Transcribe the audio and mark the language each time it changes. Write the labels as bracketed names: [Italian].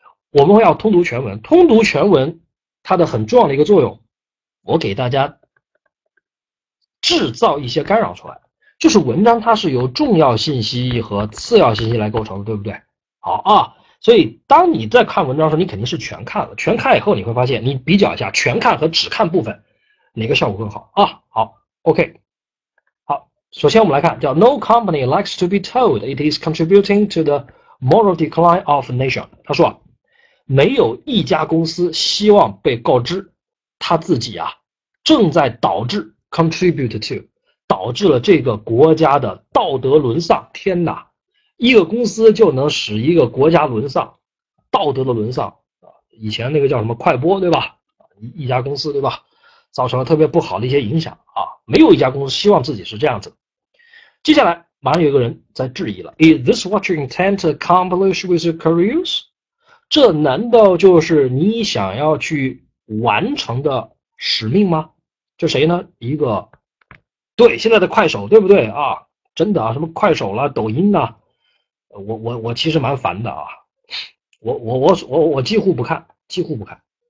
[Chinese] 我们要通读全文，通读全文，它的很重要的一个作用，我给大家制造一些干扰出来，就是文章它是由重要信息和次要信息来构成的，对不对？好啊，所以当你在看文章的时候，你肯定是全看了，全看以后你会发现，你比较一下全看和只看部分，哪个效果更好啊？好，OK，好，首先我们来看，叫 [English] No company likes to be told it is contributing to the moral decline of nation。 [Chinese] 他说啊。没有一家公司希望被告知，他自己啊正在导致 [English] contribute to [Chinese] 导致了这个国家的道德沦丧。天哪，一个公司就能使一个国家沦丧，道德的沦丧啊！以前那个叫什么快播对吧？一家公司对吧，造成了特别不好的一些影响啊！没有一家公司希望自己是这样子。接下来马上有一个人在质疑了： [English] Is this what you intend to accomplish with your careers？ [Chinese] 这难道就是你想要去完成的使命吗？这谁呢？一个，对，现在的快手，对不对啊？真的啊，什么快手啦、抖音呐、啊，我其实蛮烦的啊，我几乎不看，几乎不看。